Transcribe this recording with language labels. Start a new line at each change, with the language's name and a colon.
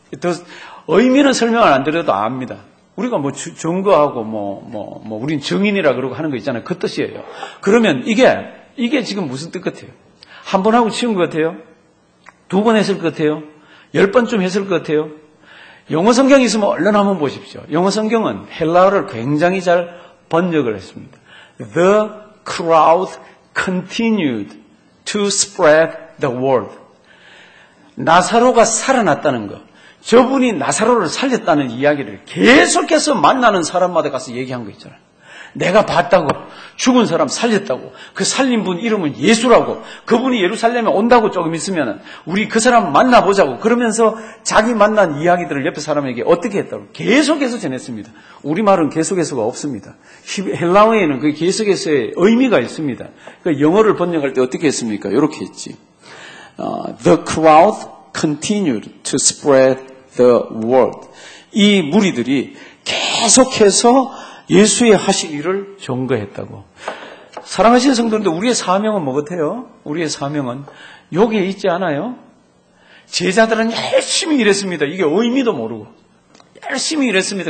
Korean: 더 의미는 설명을 안 드려도 압니다. 우리가 뭐 증거하고 뭐 우린 증인이라 그러고 하는 거 있잖아요. 그 뜻이에요. 그러면 이게 지금 무슨 뜻 같아요? 한 번 하고 치운 것 같아요? 두 번 했을 것 같아요? 열 번쯤 했을 것 같아요? 영어성경 있으면 얼른 한번 보십시오. 영어성경은 헬라어를 굉장히 잘 번역을 했습니다.
English: The crowd continued to spread the word.
Korean: 나사로가 살아났다는 것. 저분이 나사로를 살렸다는 이야기를 계속해서 만나는 사람마다 가서 얘기한 거 있잖아요. 내가 봤다고 죽은 사람 살렸다고 그 살린 분 이름은 예수라고 그분이 예루살렘에 온다고 조금 있으면 우리 그 사람 만나보자고 그러면서 자기 만난 이야기들을 옆에 사람에게 어떻게 했다고 계속해서 전했습니다. 우리말은 계속해서가 없습니다. 헬라어에는 그 계속해서의 의미가 있습니다. 그러니까 영어를 번역할 때 어떻게 했습니까? 이렇게 했지.
English: The crowd continued to spread the word.
Korean: 이 무리들이 계속해서 예수의 하신 일을 증거했다고. 사랑하시는 성도인데 우리의 사명은 뭐 같아요? 우리의 사명은 여기에 있지 않아요? 제자들은 열심히 일했습니다. 이게 의미도 모르고. 열심히 일했습니다.